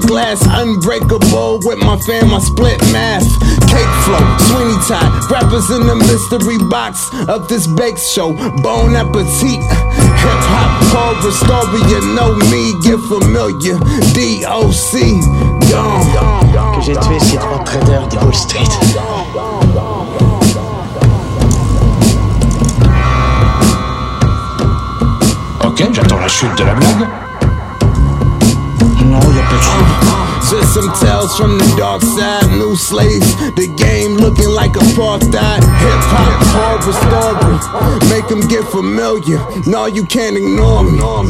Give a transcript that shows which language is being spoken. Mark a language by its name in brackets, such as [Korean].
[English] Glass, unbreakable with my fam, I split math. Cake flow, Sweeney Todd, rappers in the mystery box of this bake show, bon appetit. Hip hop horror story, you know me, get familiar. DOC, [French] que j'ai tué ces trois traders de Wall Street. Ok, j'attends la chute de la blague. Non, y'a pas de chute. [English] Just some tales from the dark side. New slaves, the game looking like a apartheid. Hip hop, horror story. Make them get familiar. No, you can't ignore me.